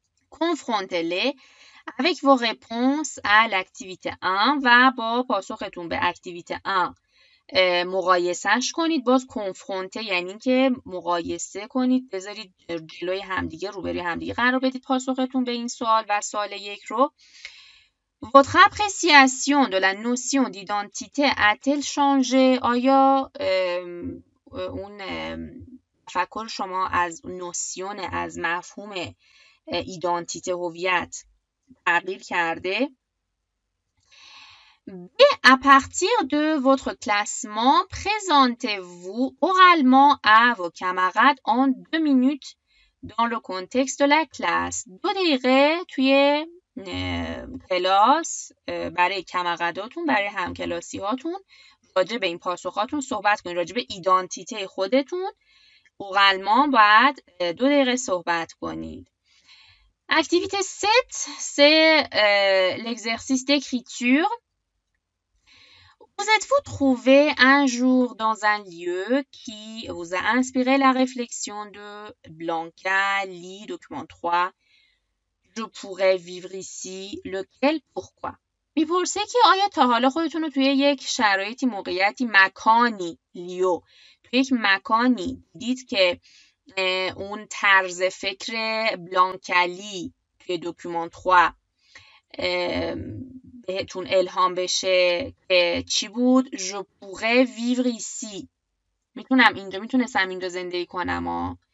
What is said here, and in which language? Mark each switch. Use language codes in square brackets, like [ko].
[fr] کنفرونتله avec vos réponses à l'activité 1 [fa] و با پاسختون به اکتیویته 1 مقایسهش کنید. باز کنفرونته یعنی که مقایسه کنید، بذارید جلوی همدیگه، روبروی همدیگه قرار بدید پاسختون به این سوال و سوال یک رو. [fr] Votre appréciation de la notion d'identité a-t-elle changé؟ [fa] آیا اون تفکر شما از نوسیون، از مفهوم ایدانتیته، هویت تغییر کرده؟ [fr] Et à partir de votre classement, présentez-vous oralement à vos camarades en deux minutes dans le contexte de la classe. [fa] دو دقیقه توی کلاس برای کمرقداتون، برای همکلاسیاتون راجع به این پاسخاتون صحبت کنید، راجع به ایدانتیته خودتون oralement بعد دو دقیقه صحبت کنید. [fr] Activité 7, c'est l'exercice d'écriture. Vous êtes-vous trouvé un jour dans un lieu qui vous a inspiré la réflexion de Blanca, Lee, document 3, je pourrais vivre ici, lequel, pourquoi? [fa] می‌پرسه که آیا تا حالا خودتون رو توی یک شرایطی، موقعیتی، مکانی، لیو، توی یک مکانی دیدید که اون طرز فکر بلانکلی توی دکومنت 3 بهتون الهام بشه که چی بود؟ [fr] je pourrais vivre ici، [fa] میتونم اینجا، میتونستم اینجا زندگی کنم.